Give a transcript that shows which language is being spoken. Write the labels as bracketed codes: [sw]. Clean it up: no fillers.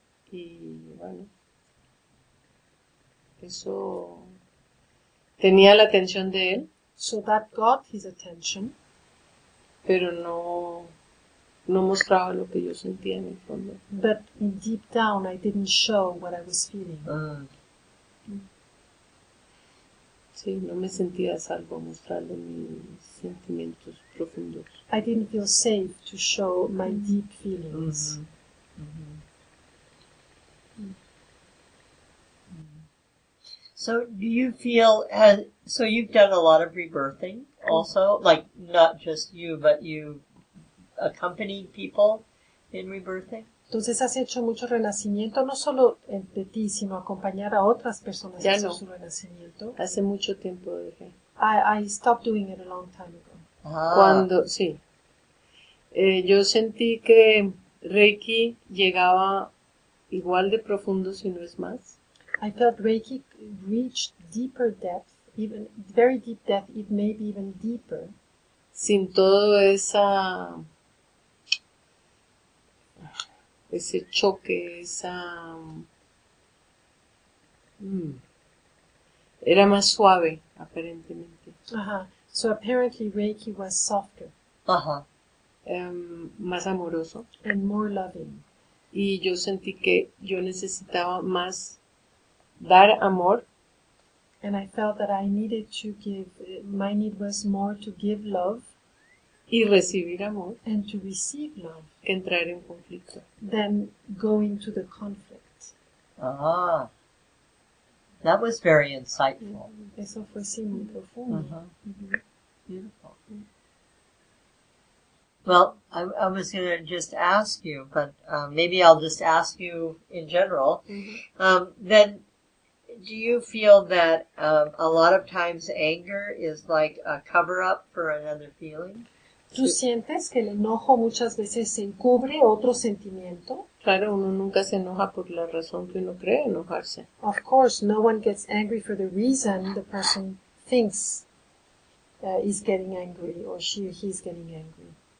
[es] Y bueno, eso tenía la atención de él. [en] So that got his attention. [es] Pero no mostraba lo que yo sentía en el fondo. [en] But deep down I didn't show what I was feeling. [es] Sí, no me sentía a salvo mostrando mis sentimientos profundos. [en] I didn't feel safe to show my deep feelings. Mm-hmm. Mm-hmm. So do you feel, so you've done a lot of rebirthing also, like not just you, but you accompanied people in rebirthing? [es] Entonces has hecho mucho renacimiento, no solo de ti, sino acompañar a otras personas ya en no. su renacimiento. Hace mucho tiempo dejé. [en] I stopped doing it a long time ago. [es] Cuando, sí. Yo sentí que Reiki llegaba igual de profundo, si no es más. [en] I felt Reiki reached deeper depth, even very deep depth, it may be even deeper. [es] Sin todo esa ese choque, esa era más suave, aparentemente. [en] So apparently Reiki was softer. [es] Más amoroso. [en] And more loving. [es] Y yo sentí que yo necesitaba más dar amor. [en] And I felt that I needed to give, my need was more to give love. [es] Y recibir amor. [en] And to receive love. [es] Que entrar en conflicto. [en] Than go into the conflict. That was very insightful. [es] Eso fue sí muy profundo. [en] Beautiful. Well, I was going to just ask you, but maybe I'll just ask you in general. Then, do you feel that a lot of times anger is like a cover-up for another feeling? [es] ¿Tú sientes que el enojo muchas veces encubre otro sentimiento? Claro, uno nunca se enoja por la razón que uno cree enojarse. [en] Of course, no one gets angry for the reason the person thinks is getting angry or she or he's getting angry.